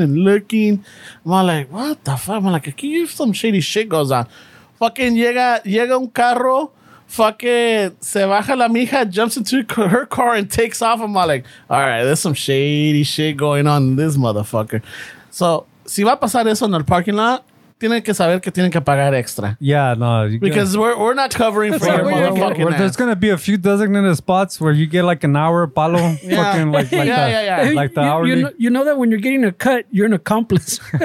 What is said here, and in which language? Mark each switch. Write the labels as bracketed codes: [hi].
[en] I'm like, what the fuck? I'm like, can you hear some shady shit goes on? [es] Fucking llega un carro. Fucking se baja la mija, jumps into her car and takes off. [en] I'm like, all right, there's some shady shit going on in this motherfucker. [es] So, si va a pasar eso en el parking lot, tienen que saber que tienen que pagar extra. [en] Yeah, no. Because we're not covering for your motherfucking ass. There's going to be a few designated spots where you get like an hour palo. Yeah. Fucking like yeah, the, yeah, yeah, yeah. Like the hourly. You know that when you're getting a cut, you're an accomplice.